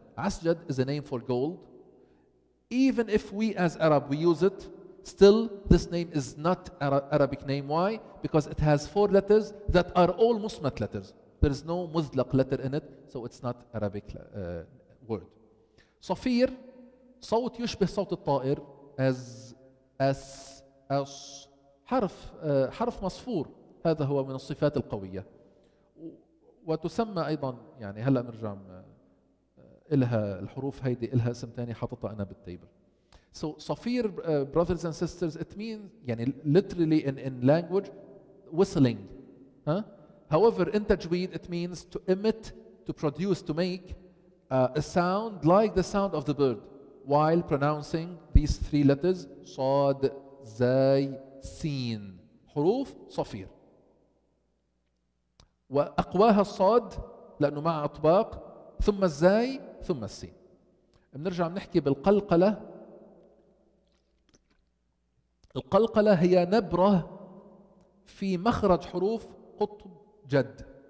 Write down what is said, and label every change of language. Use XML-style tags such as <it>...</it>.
<en>عسجد is a name for gold. Even if we as Arab we use it, still this name is not Arabic name. Why? Because it has four letters that are all musmat letters. There is no muzlaq letter in it, so it's not Arabic word.</en> <ar>Safir, صوت يشبه صوت الطائر as حرف حرف مصفور. هذا هو من الصفات القوية. وتسمى أيضا يعني هلا نرجع إلها الحروف هيدي إلها اسم تاني حاططها أنا بالتيبل.</ar> <en>So صفير brothers and sisters it means يعني literally in language whistling. However in تجويد it means to emit, to produce, to make a sound like the sound of the bird while pronouncing these three letters</en> <ar>صاد زاي سين حروف صفير. وأقواها الصاد لأنه مع أطباق، ثم الزاي، ثم السين. بنرجع بنحكي بالقلقلة. القلقلة هي نبرة في مخرج حروف قطب جد.</ar>